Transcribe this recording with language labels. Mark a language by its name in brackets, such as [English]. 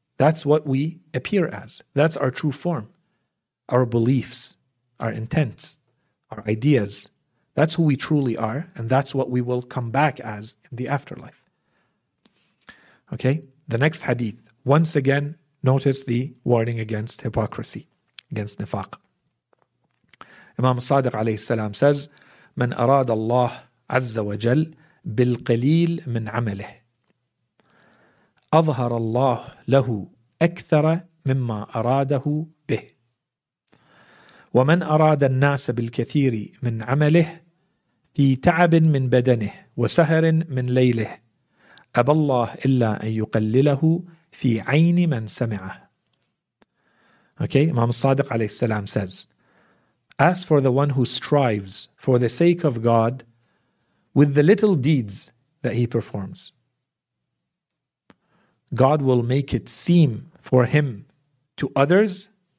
[English] That's what we appear as. That's our true form. Our beliefs, our intents, our ideas. That's who we truly are, and that's what we will come back as in the afterlife. Okay? The next hadith. Once again, notice the warning against hypocrisy, against nifaq. Imam Sadiq alayhi salam says, [Arabic] "Man arad Allah azza wa jal bil qalil min amalih, أظهر الله له أكثر مما أراده به ومن أراد الناس بالكثير من عمله في تعب من بدنه وسهر من ليله أبى الله إلا أن يقلله في عين من سمعه." [English] Okay, Imam Sadiq alayhi salam says, "As for the one who strives for the sake of God with the little deeds that he performs, God will make it seem for him to others."